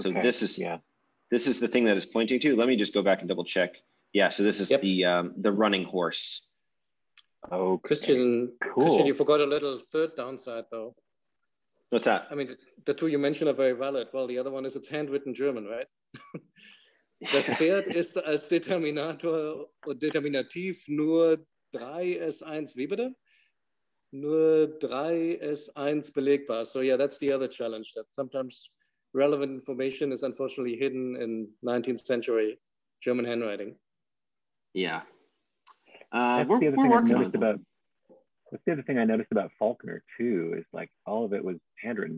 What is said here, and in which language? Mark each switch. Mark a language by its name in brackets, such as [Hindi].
[English] So this is the thing that is pointing to. Let me just go back and double check. Yeah. So this is the running horse. Oh, okay. Christian, you forgot a little third downside, though. What's that? I mean, the two you mentioned are very valid. Well, the other one is it's handwritten German, right? [German] Das Pferd ist als Determinator und Determinativ nur 3S1, wie bitte? Nur 3S1 belegbar. [English] So yeah, that's the other challenge, that sometimes relevant information is unfortunately hidden in 19th century German handwriting. Yeah. That's the other thing I noticed about Faulkner too, is like all of it was handwritten.